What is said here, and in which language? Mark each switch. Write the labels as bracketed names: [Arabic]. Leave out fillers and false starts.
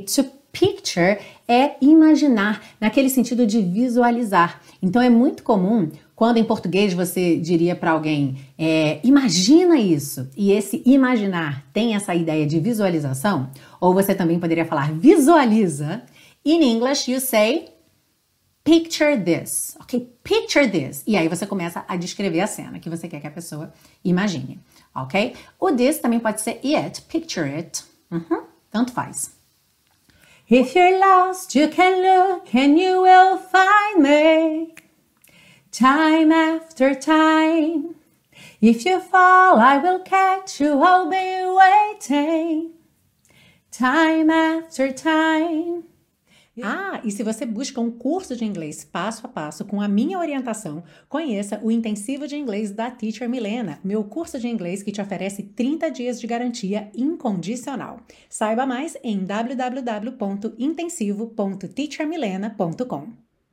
[Portuguese] To picture é imaginar, naquele sentido de visualizar. Então, é muito comum quando em português você diria para alguém, imagina isso, e esse imaginar tem essa ideia de visualização, ou você também poderia falar visualiza. [English] In English, you say picture this, ok? Picture this. [Portuguese] E aí você começa a descrever a cena que você quer que a pessoa imagine, ok? O this também pode ser it, picture it. Uhum. Tanto faz. [English] If you're lost, you can look and you will find me. Time after time. If you fall, I will catch you, I'll be waiting. Time after time. [Portuguese] Ah, e se você busca um curso de inglês passo a passo com a minha orientação, conheça o Intensivo de Inglês da Teacher Milena, meu curso de inglês que te oferece 30 dias de garantia incondicional. Saiba mais em www.intensivo.teachermilena.com.